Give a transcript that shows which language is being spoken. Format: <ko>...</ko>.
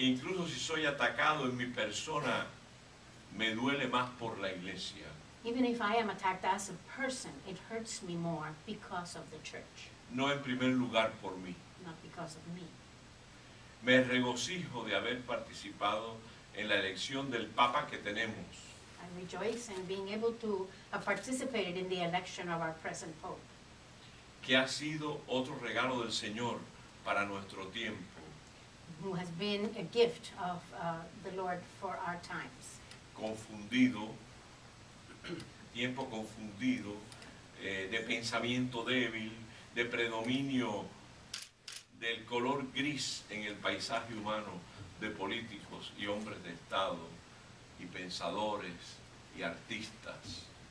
<es>Incluso si soy atacado en mi persona, me duele más por la Iglesia.</es> <en>Even if I am attacked as a person, it hurts me more because of the church.</en> <es>No en primer lugar por mí.</es> <en>Not because of me.</en> <es>Me regocijo de haber participado en la elección del Papa que tenemos.</es> <en>I rejoice in being able to have participated in the election of our present Pope.</en> <es>Que ha sido otro regalo del Señor para nuestro tiempo.</es> <en>Who has been a gift of the Lord for our times.</en> <es>Confundido, tiempo confundido de pensamiento débil, de predominio del color gris en el paisaje humano de políticos y hombres de Estado y pensadores y artistas.</es>